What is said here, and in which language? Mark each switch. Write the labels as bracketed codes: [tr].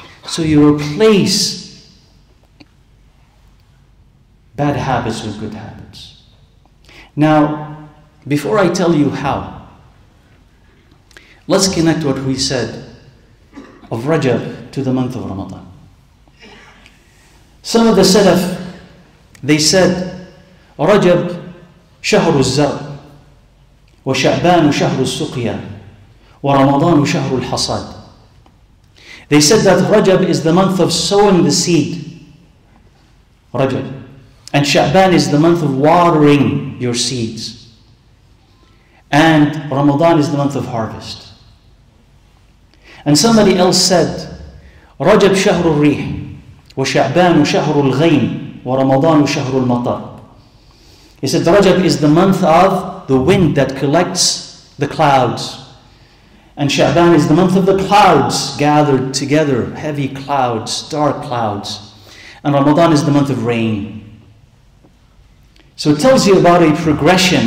[en] So you replace bad habits with good habits. Now, before I tell you how, let's connect what we said of Rajab to the month of Ramadan. Some of the Salaf, they said, [ar] Rajab, شهر الزرع وشعبان شهر السقيا ورمضان شهر الحصاد. [en] They said that Rajab is the month of sowing the seed, Rajab. And Sha'ban is the month of watering your seeds. And Ramadan is the month of harvest. And somebody else said, [ar] Rajab شهر الريح وشعبان شهر الغيم ورمضان شهر المطر. [en] He said, Rajab is the month of the wind that collects the clouds. And Sha'ban is the month of the clouds gathered together, heavy clouds, dark clouds. And Ramadan is the month of rain. So it tells you about a progression.